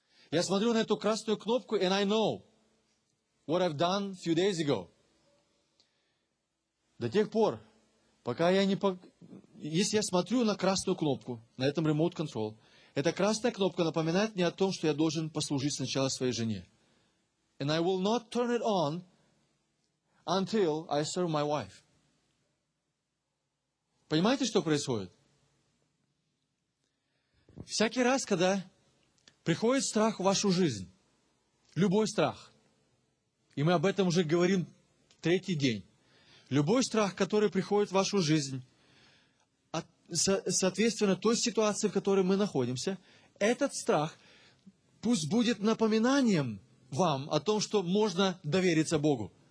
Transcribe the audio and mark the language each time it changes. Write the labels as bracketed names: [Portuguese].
[Russian] Я смотрю на эту красную кнопку, [English] and I know what I've done a few days ago. [Russian] До тех пор, пока я не... Если я смотрю на красную кнопку, на этом remote control, эта красная кнопка напоминает мне о том, что я должен послужить сначала своей жене. [English] And I will not turn it on until I serve my wife. [Russian] Понимаете, что происходит? Всякий раз, когда приходит страх в вашу жизнь, любой страх, и мы об этом уже говорим третий день, любой страх, который приходит в вашу жизнь, соответственно, той ситуации, в которой мы находимся, этот страх пусть будет напоминанием вам о том, что можно довериться Богу.